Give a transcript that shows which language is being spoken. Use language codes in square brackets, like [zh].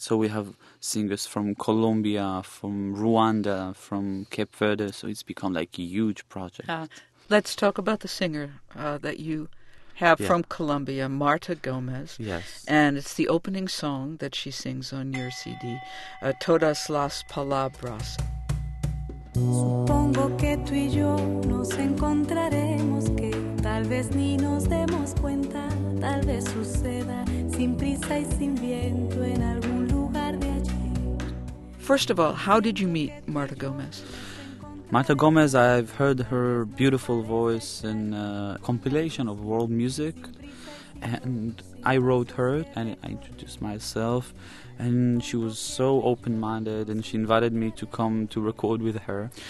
[en] So we have singers from Colombia, from Rwanda, from Cape Verde. So it's become like a huge project. Let's talk about the singer that you have yeah. from Colombia, Marta Gomez. Yes. And it's the opening song that she sings on your CD, Todas las Palabras. [es] Supongo que tú y yo nos encontraremos, que tal vez ni nos demos cuenta, tal vez suceda sin prisa y sin viento en algún lugar de allí. [en] First of all, how did you meet Marta Gomez? Marta Gomez, I've heard her beautiful voice in a compilation of world music, and I wrote her and I introduced myself, and she was so open-minded and she invited me to come to record with her.